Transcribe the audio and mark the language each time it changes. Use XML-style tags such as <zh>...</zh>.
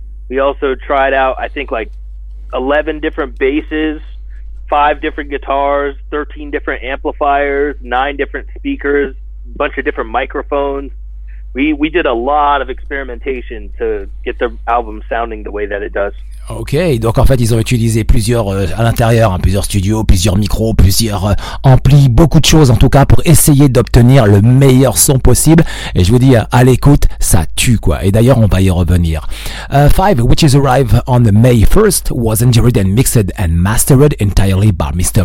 <en>We also tried out, I think, like 11 different basses, 5 different guitars, 13 different amplifiers, 9 different speakers, a bunch of different microphones. We did a lot of experimentation to get the album sounding the way that it does.</en> <fr>Okay, donc en fait ils ont utilisé plusieurs à l'intérieur, hein, plusieurs studios, plusieurs micros, plusieurs amplis, beaucoup de choses en tout cas pour essayer d'obtenir le meilleur son possible. Et je vous dis, à l'écoute, ça tue quoi. Et d'ailleurs, on va y revenir.</fr> <en>Five, which is arrived on May 1st, was engineered and mixed and mastered entirely by Mr.</en>